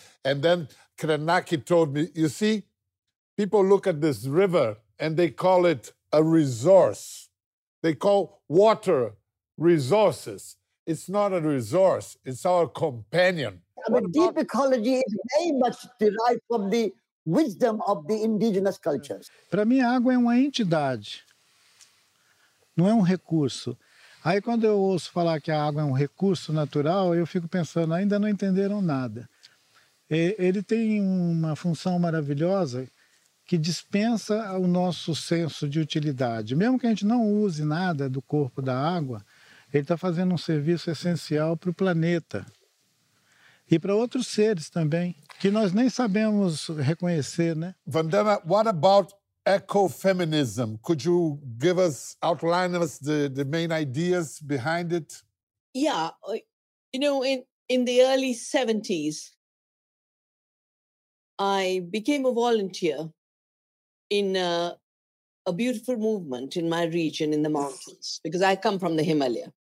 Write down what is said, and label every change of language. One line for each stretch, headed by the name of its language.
English: And then Krenaki told me, you see, people look at this river and they call it a resource. They call water resources. It's not a resource, it's our companion. Yeah, but deep ecology is very much derived from the wisdom of the indigenous cultures.
Portuguese: Para mim, a água é uma entidade. Não é um recurso. Aí, quando eu ouço falar que a água é um recurso natural, eu fico pensando, ainda não entenderam nada. Ele tem uma função maravilhosa que dispensa o nosso senso de utilidade. Mesmo que a gente não use nada do corpo da água, ele está fazendo um serviço essencial para o planeta. e para outros seres também, que nós nem sabemos reconhecer, né?
English: Vandana, what about ecofeminism? Could you give us, outline us the main ideas behind it? Yeah, you know, in the early 70s, I became a volunteer in a beautiful movement in my region in the mountains, because I come from the Himalaya.